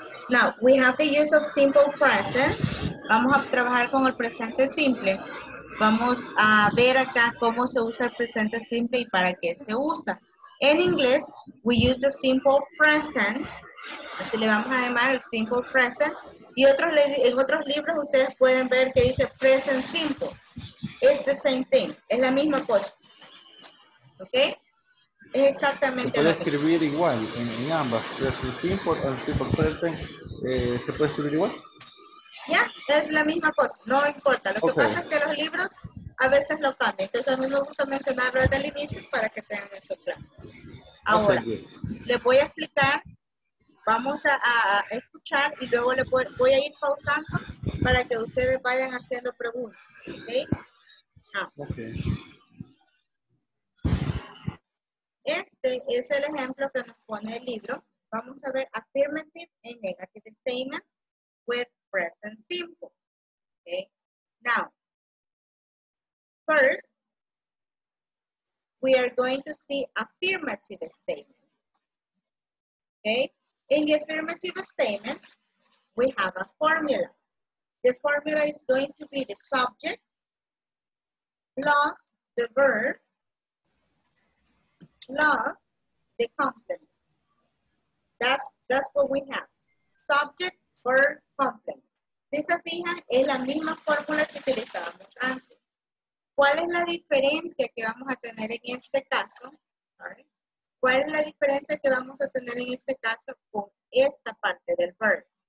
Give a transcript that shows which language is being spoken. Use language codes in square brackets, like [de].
[en] Now, we have the use of simple present. [es] Vamos a trabajar con el presente simple. Vamos a ver acá cómo se usa el presente simple y para qué se usa. En inglés, [en] we use the simple present. [es] Así le vamos a llamar el simple present. Y otros, en otros libros ustedes pueden ver que dice present simple. [en] It's the same thing. [es] Es la misma cosa. ¿Ok? Es exactamente. Se puede escribir igual en ambas. [en] Present simple and simple present. [es] ¿Se puede escribir igual? Ya, es la misma cosa. No importa. Lo que pasa es que los libros a veces lo cambian. Entonces a mí me gusta mencionarlo desde el inicio para que tengan eso claro. Ahora, les voy a explicar. Vamos a escuchar y luego le voy a ir pausando para que ustedes vayan haciendo preguntas. ¿Ok? Este es el ejemplo que nos pone el libro. Vamos a ver [en] affirmative and negative statements with present simple. Okay. Now, first, we are going to see affirmative statements. Okay. In the affirmative statements, we have a formula. The formula is going to be the subject plus the verb plus the complement. That's what we have. Subject, verb, complement. [es] Si se fijan, es la misma fórmula que utilizábamos antes. ¿Cuál es la diferencia que vamos a tener en este caso? ¿Cuál es la diferencia que vamos a tener en este caso con esta parte del verb?